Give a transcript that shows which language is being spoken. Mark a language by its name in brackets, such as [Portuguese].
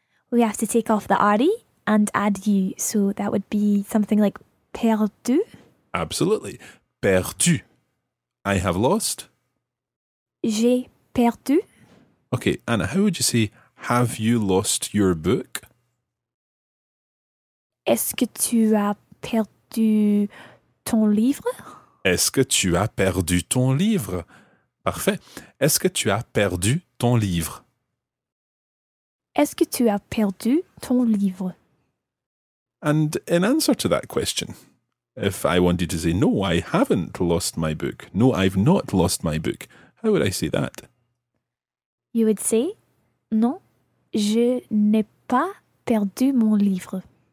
[English] We have to take off the RE and add you, so that would be something like perdu. Absolutely. Perdu. I have lost. [French] J'ai perdu. [English] Okay, Anna, how would you say, have you lost your book? [French] Est-ce que tu as perdu ton livre? Est-ce que tu as perdu ton livre? Parfait. Est-ce que tu as perdu ton livre? Est-ce que tu as perdu ton livre? [English] And in answer to that question, if I wanted to say, no, I haven't lost my book. No, I've not lost my book. How would I say that? You would say, [French] non, je n'ai pas perdu mon livre.